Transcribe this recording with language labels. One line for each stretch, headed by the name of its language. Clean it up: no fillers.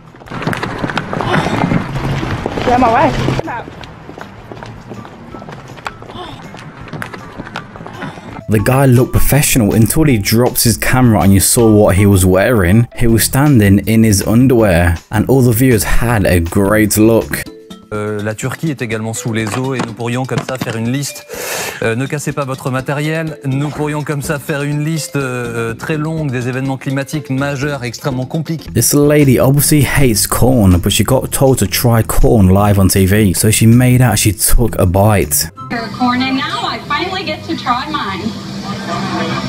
English: Get my wife. The guy looked professional until he dropped his camera and you saw what he was wearing. He was standing in his underwear and all the viewers had a great look.
French: La Turquie est également sous les eaux et nous pourrions comme ça faire une liste. Ne cassez pas votre matériel. Nous pourrions comme ça faire une liste très longue des événements climatiques majeurs extrêmement compliqués.
English: This lady obviously hates corn, but she got told to try corn live on TV. So she made out she took a bite. Corn, and now I finally get to try mine.